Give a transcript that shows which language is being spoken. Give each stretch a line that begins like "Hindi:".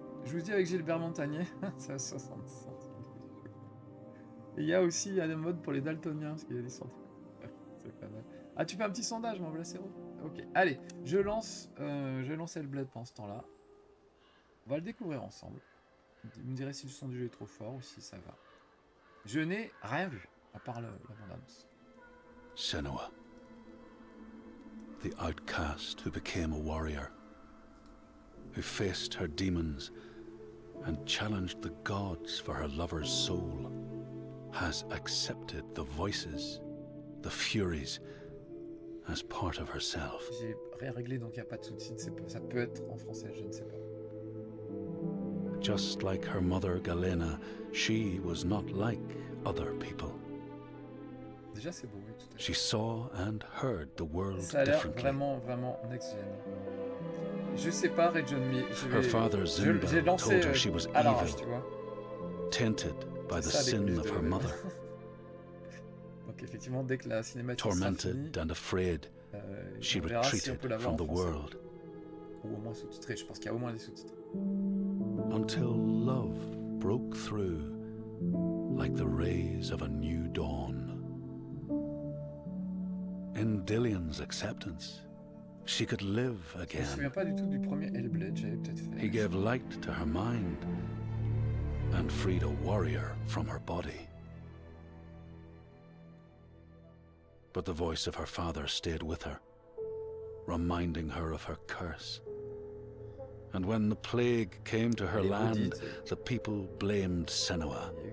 French: Je vous dis avec Gilbert Montagnier, ça a 60 cents. Et il y a des modes pour les daltoniens, parce qu'il y a des centres. C'est pas mal. Ah, tu fais un petit sondage, mon Blasero. Ok, allez, je lance Hellblade pendant ce temps-là. On va le découvrir ensemble. Vous me direz si le son du jeu est trop fort ou si ça va. Je n'ai rien vu, à part la bande-annonce.
English: Senua. The outcast who became a warrior. Who faced her demons and challenged the gods for her lover's soul. Has accepted the voices, the furies, as part of herself.
French: J'ai rien réglé, donc il n'y a pas de sous-titres. Ça peut être en français, je ne sais pas.
English: Just like her mother Galena, she was not like other people.
French: Déjà, c'est beau, oui, tout à fait.
English: She saw and heard the world differently.
French: Ça a l'air vraiment, vraiment next-gen. Je sais pas, Regionmi.
English: Her father Zumba told her she was evil, tainted by the sin of her mother.
French: Donc effectivement, dès que la cinématique
English: tormented
French: sera finie,
English: and afraid, she retreated
French: si
English: from the world.
French: Ou au moins sous-titrée, je pense qu'il y a au moins des sous-titres.
English: Until love broke through like the rays of a new dawn. In Dillian's acceptance, she could live again.
French: Je me souviens pas du tout du premier Hellblade, j'avais peut-être fait.
English: He gave light to her mind and freed a warrior from her body. But the voice of her father stayed with her, reminding her of her curse. And when the plague came to her land, the people blamed Senua.